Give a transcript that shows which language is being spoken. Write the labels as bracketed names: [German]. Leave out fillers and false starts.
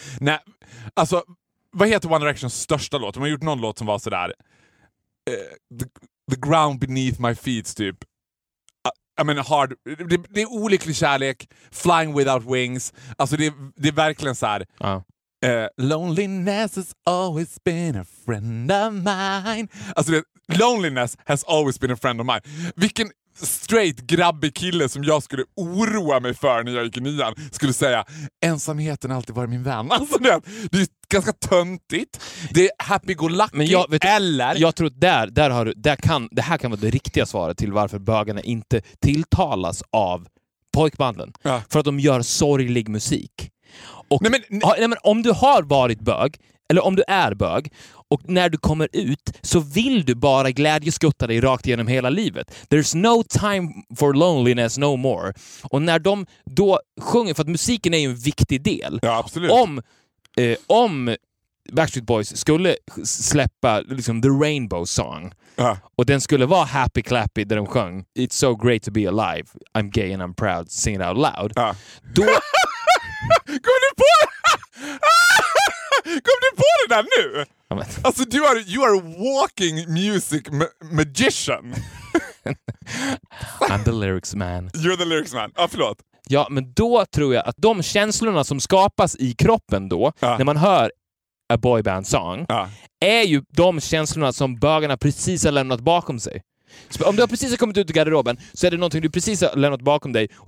[Swedish] Nej, alltså vad heter One Directions största låt? De har gjort någon låt som var så där [English] the ground beneath my feet [Swedish] typ. [English] I mean hard [Swedish] det är olycklig kärlek, [English] flying without wings. [Swedish] Alltså det är verkligen så här. Ja. [English] Loneliness has always been a friend of mine. Alltså loneliness has always been a friend of mine. Vilken [Swedish] straight grabbig kille som jag skulle oroa mig för när jag gick i nian skulle säga, ensamheten alltid varit min vän. Alltså det är ju ganska töntigt. Det är happy-go-lucky. Men jag, vet eller... Jag tror där har du, där kan, det här kan vara det riktiga svaret till varför bögarna inte tilltalas av pojkbanden. Ja. För att de gör sorglig musik. Och, nej, men om du har varit bög, eller om du är bög, och när du kommer ut så vill du bara glädjeskutta dig rakt igenom hela livet. [English] There's no time for loneliness no more. [Swedish] Och när de då sjunger, för att musiken är ju en viktig del. Ja, absolut. Om Backstreet Boys skulle släppa liksom [English] The Rainbow Song, [Swedish] och den skulle vara [English] happy clappy [Swedish] där de sjöng [English] It's so great to be alive, I'm gay and I'm proud, sing it out loud. [Swedish] Då... Kom du på det där nu? [English] Alltså you are a walking music magician. I'm the lyrics man. You're the lyrics man. [Swedish] Ja, förlåt. Ja, men då tror jag att de känslorna som skapas i kroppen då, när man hör [English] a boyband song, [Swedish] är ju de känslorna som bögarna precis har lämnat bakom sig. Så om du har precis kommit ut ur garderoben så är det någonting du precis har lämnat bakom dig.